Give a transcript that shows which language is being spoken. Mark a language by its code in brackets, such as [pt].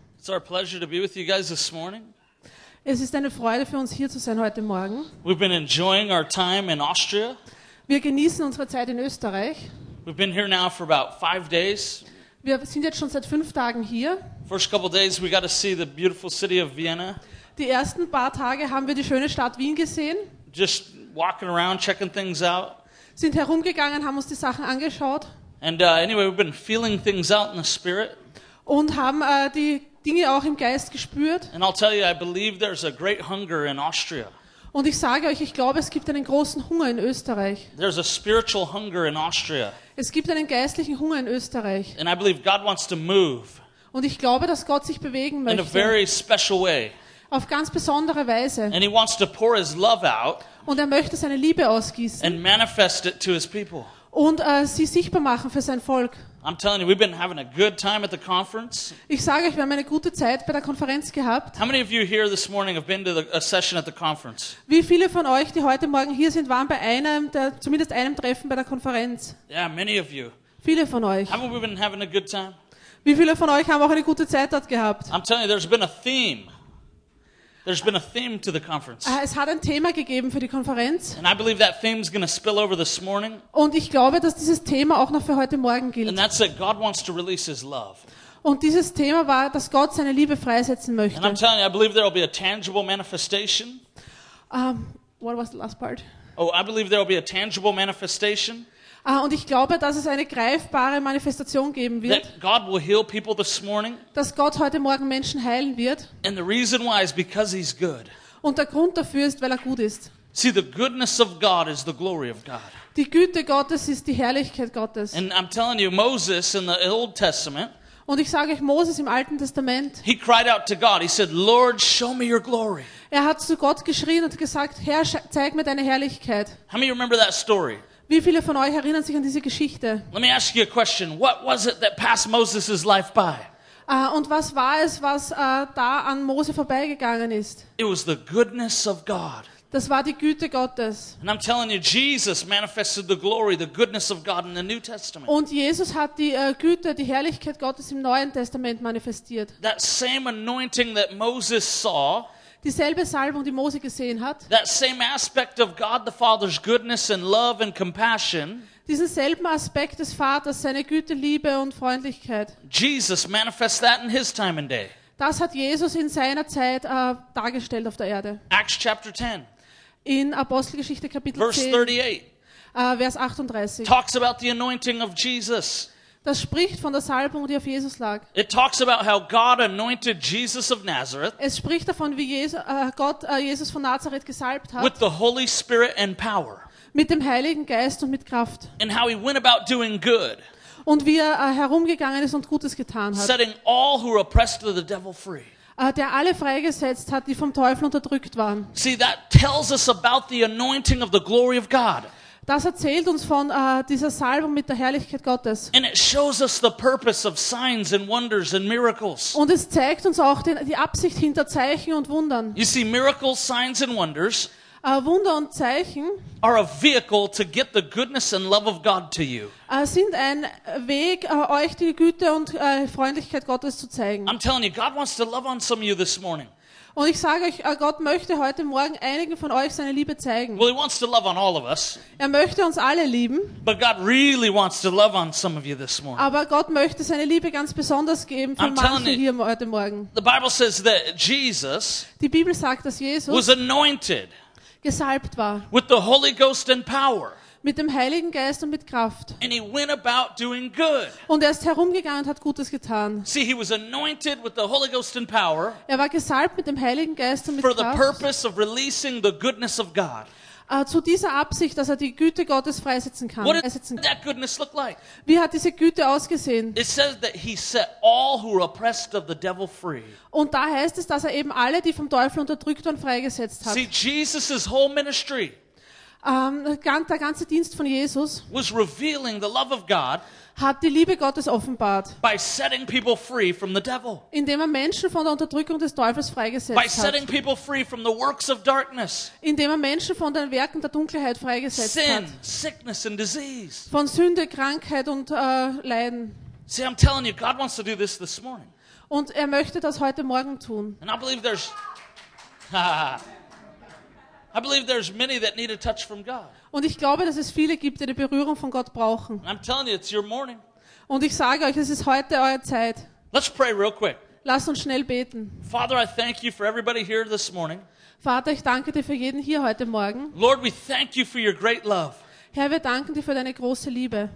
[en] It's our pleasure to be with you guys this morning. [de] Es ist eine Freude für uns hier zu sein heute Morgen. [en] We've been enjoying our time in Austria. [de] Wir genießen unsere Zeit in Österreich. [en] We've been here now for about 5 days. [de] Wir sind jetzt schon seit 5 Tagen hier. [en] First couple days we got to see the beautiful city of Vienna. [de] Die ersten paar Tage haben wir die schöne Stadt Wien gesehen. [en] Just walking around, checking things out. [de] Sind herumgegangen, haben uns die Sachen angeschaut. [en] And anyway, we've been feeling things out in the spirit. [de] Und haben die Dinge auch im Geist gespürt. [en] And I'll tell you, I believe there's a great hunger in Austria. [de] Und ich sage euch, ich glaube, es gibt einen großen Hunger in Österreich. [en] There's a spiritual hunger in Austria. [de] Es gibt einen geistlichen Hunger in Österreich. [en] And I believe God wants to move. [de] Und ich glaube, dass Gott sich bewegen möchte. [en] In a very special way. [de] Auf ganz besondere Weise. [en] And he wants to pour his love out. [de] Und er möchte seine Liebe ausgießen. [en] And manifest it to his people. [de] Und sie sichtbar machen für sein Volk. [en] I'm telling you, we've been having a good time at the conference. [de] Ich sage euch, wir haben eine gute Zeit bei der Konferenz gehabt. [en] How many of you here this morning have been to a session at the conference? [de] Wie viele von euch, die heute Morgen hier sind, waren bei zumindest einem Treffen bei der Konferenz? [en] Yeah, many of you. [de] Viele von euch. [en] Haven't we been having a good time? [de] Wie viele von euch haben auch eine gute Zeit dort gehabt? [en] I'm telling you, there's been a theme. There's been a theme to the conference. [de] Es hat ein Thema gegeben für die Konferenz. [en] And I believe that theme's going to spill over this morning. [de] Und ich glaube, dass dieses Thema auch noch für heute Morgen gilt. [en] And that's that God wants to release His love. [de] Und dieses Thema war, dass Gott seine Liebe freisetzen möchte. [en] And I'm telling you, I believe there will be a tangible manifestation. What was the last part? Oh, I believe there will be a tangible manifestation. [de] Und ich glaube, dass es eine greifbare Manifestation geben wird. [en] That God will heal people this morning. [de] Dass Gott heute Morgen Menschen heilen wird. [en] And the reason why is because he's good. [de] Und der Grund dafür ist, weil er gut ist. [en] See, the goodness of God is the glory of God. [de] Die Güte Gottes ist die Herrlichkeit Gottes. [en] And I'm telling you, Moses in the Old Testament. [de] Und ich sage euch, Moses im Alten Testament. [en] He cried out to God. He said, "Lord, show me your glory." [de] Er hat zu Gott geschrien und gesagt, Herr, zeig mir deine Herrlichkeit. [en] How many remember that story? [de] Wie viele von euch erinnern sich an diese Geschichte? [en] Let me ask you a question. What was it that passed Moses' life by? [de] Und was war es, was da an Mose vorbeigegangen ist? [en] It was the goodness of God. [de] Das war die Güte Gottes. [en] And I'm telling you, Jesus manifested the glory, the goodness of God in the New Testament. [de] Und Jesus hat die Güte, die Herrlichkeit Gottes im Neuen Testament manifestiert. [en] That same anointing that Moses saw. [de] Dieselbe Salbung, die Mose gesehen hat. [en] That same aspect of God the Father's goodness and love and compassion. [de] Diesen selben Aspekt des Vaters, seine Güte, Liebe und Freundlichkeit. [en] Jesus manifests that in his time and day. [de] Das hat Jesus in seiner Zeit dargestellt auf der Erde. [en] Acts chapter 10. [de] In Apostelgeschichte Kapitel [en] Verse 10. Verse 38. [de] Vers 38. [en] Talks about the anointing of Jesus. [de] Das spricht von der Salbung, die auf Jesus lag. [en] It talks about how God anointed Jesus of Nazareth. [de] Es spricht davon, wie Jesus von Nazareth gesalbt hat. [en] With the Holy Spirit and power. [de] Mit dem Heiligen Geist und mit Kraft. [en] And how he went about doing good. [de] Und wie er herumgegangen ist und Gutes getan hat. [en] Setting all who were oppressed of the devil free. [de] Der alle freigesetzt hat, die vom Teufel unterdrückt waren. [en] See, that tells us about the anointing of the glory of God. [de] Das erzählt uns von dieser Salbung mit der Herrlichkeit Gottes. [en] And it shows us the purpose of signs and wonders and miracles. [de] Und es zeigt uns auch die Absicht hinter Zeichen und Wundern. [en] You see, miracles, signs and wonders [de] Wunder und Zeichen [en] are a vehicle to get the goodness and love of God to you. [de] Sind ein Weg, euch die Güte und Freundlichkeit Gottes zu zeigen. [en] I'm telling you, God wants to love on some of you this morning. [de] Und ich sage euch, Gott möchte heute Morgen einigen von euch seine Liebe zeigen. [en] Well, he wants to love on all of us. [de] Er möchte uns alle lieben. [en] But God really wants to love on some of you this morning. [de] Aber Gott möchte seine Liebe ganz besonders geben von manchen hier heute Morgen. [en] The Bible says that Jesus, [de] die Bibel sagt, dass Jesus [en] was anointed, [de] gesalbt war, [en] with the Holy Ghost and power. [de] Mit dem Heiligen Geist und mit Kraft. [en] And he went about doing good. [de] Und er ist herumgegangen und hat Gutes getan. [en] See, he was anointed with the Holy Ghost and power. [de] Er war gesalbt mit dem Heiligen Geist und mit [en] for [de] Kraft. [en] For the purpose of releasing the goodness of God. [de] Zu dieser Absicht, dass er die Güte Gottes freisetzen kann. [en] What did that goodness look like? [de] Wie hat diese Güte ausgesehen? [en] It says that he set all who were oppressed of the devil free. [de] Und da heißt es, dass er eben alle, die vom Teufel unterdrückt waren, freigesetzt hat. [en] See, Jesus' whole ministry. [de] Der ganze Dienst von Jesus [en] was revealing the love of God, [de] hat die Liebe Gottes offenbart, [en] by setting people free from the devil, [de] indem er Menschen von der Unterdrückung des Teufels freigesetzt hat, [en] by setting people free from the works of darkness, [de] indem er Menschen von den Werken der Dunkelheit freigesetzt [en] sin, [de] hat, [en] sickness and disease, [de] von Sünde, Krankheit und Leiden, [en] See, I'm telling you, God wants to do this this morning. [de] Und er möchte das heute Morgen tun. [en] And I believe there's I believe there's many that need a touch from God. [de] Und ich glaube, dass es viele gibt, die eine Berührung von Gott brauchen. [en] I'm telling you, it's your morning. [de] Und ich sage euch, es ist heute eure Zeit. [en] Let's pray real quick. [de] Lass uns schnell beten. [en] Father, I thank you for everybody here this morning. [de] Vater, ich danke dir für jeden hier heute Morgen. [en] Lord, we thank you for your great love. [de] Herr, wir danken dir für deine große Liebe.